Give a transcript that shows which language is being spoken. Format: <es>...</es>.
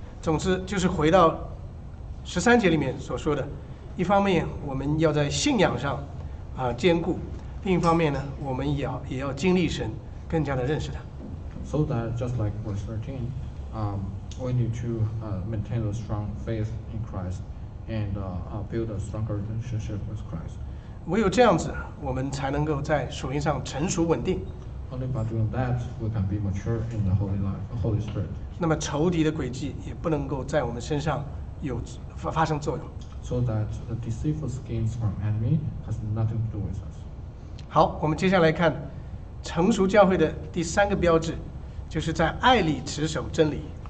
<zh>总之就是回到十三节里面所说的一方面我们要在信仰上、坚固另一方面呢我们也要经历神更加的认识他</zh> <en>So that just like verse 13、we need to、maintain a strong faith in Christ and、build a stronger relationship with Christ</en> <zh>唯有这样子我们才能够在属灵上成熟稳定</zh> <en>Only by doing that we can be mature in the Holy, life, the Holy Spirit</en> <zh>那么仇敌的诡计也不能够在我们身上有发生作用。</zh> <en>So that the deceitful schemes from enemy has nothing to do with us.</en> <zh>好，我们接下来看成熟教会的第三个标志，就是在爱里持守真理。</zh>